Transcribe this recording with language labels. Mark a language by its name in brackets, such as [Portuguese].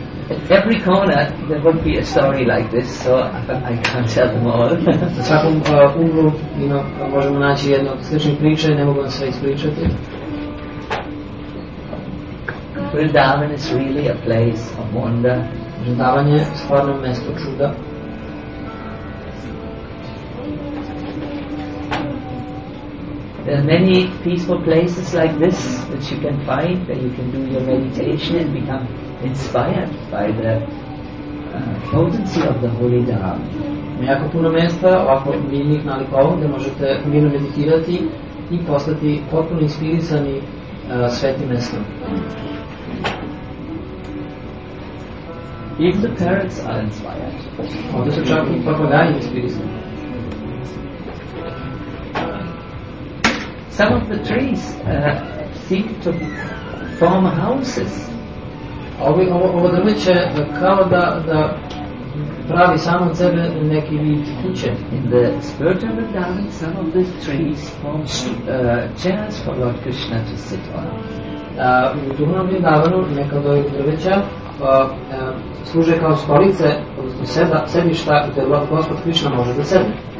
[English] At every corner there would be a story like this, so I can't tell them all. [Serbian] Na svakom uglu možemo naći jednu od sličnih priča i ne mogu vam sve ispričati. [English] Vrindavan is really a place of wonder. [Serbian] Vrindavan je stvarno mjesto čuda. [English] There are many peaceful places like this that you can find that you can do your meditation and become inspired by the potency of the Holy Dharma. [Serbian] Jako puno mjesta ovako milnih nalikov gdje možete mirno meditirati i postati potpuno inspirisani svetim mjestom. [English] Even the parrots are inspired. [Serbian] Ovdje su čak i papagaji inspirisani. [English] Some of the trees seem to form houses. [Serbian] Ovo drviće kao da pravi samo od sebe neki vid kuće. [English] In the spiritual Vrindavan, some of these trees form chairs for Lord Krishna to sit on. [Serbian] U duhovnom Vrindavanu neka od ovih drvića služe kao stolice, sedišta gdje Gospod Krishna može da sedne.